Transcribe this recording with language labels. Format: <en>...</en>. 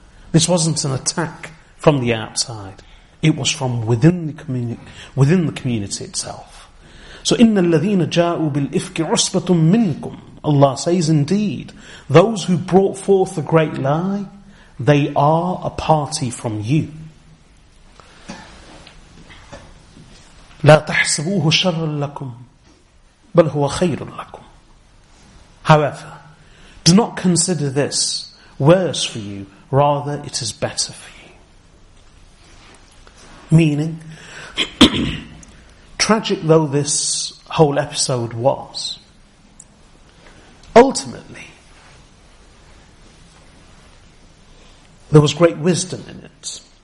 <en>This wasn't an attack from the outside. It was from within the community itself.</en> <ar>So إِنَّ الَّذِينَ جَاءُوا بِالْإِفْكِ عُصْبَةٌ مِّنْكُمْ.</ar> <en>Allah says, indeed, those who brought forth the great lie, they are a party from you.</en> <ar>لا تحسبوه شرا لكم بل هو خير لكم.</ar> <en>However, do not consider this worse for you, rather it is better for you. Meaning, tragic though this whole episode was, ultimately, there was great wisdom in it.</en>